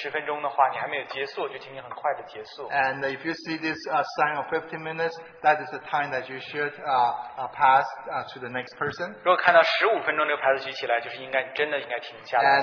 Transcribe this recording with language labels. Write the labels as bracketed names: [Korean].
[Chinese] 如果你看到弟兄在前面举起这个牌子十分钟的话，你还没有结束， 就请你很快的结束。 [English] And if you see this sign of 50 minutes, that is the time that you should pass to the next person. [Chinese] 如果看到15分钟这个牌子举起来， 就是应该真的应该停下来。